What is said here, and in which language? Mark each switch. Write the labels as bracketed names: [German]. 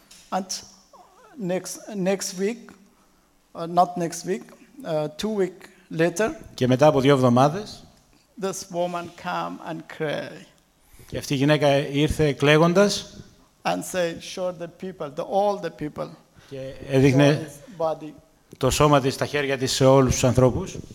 [English] And next week, not next week, 2 weeks later. [Greek] Και μετά από 2 εβδομάδες. [English] This woman come and cry. [Greek] Και αυτή η γυναίκα ήρθε κλαίγοντας. [English] And say, show the people, the all the people. [Greek] Και έδειχνε το σώμα της, τα χέρια της σε όλους τους ανθρώπους.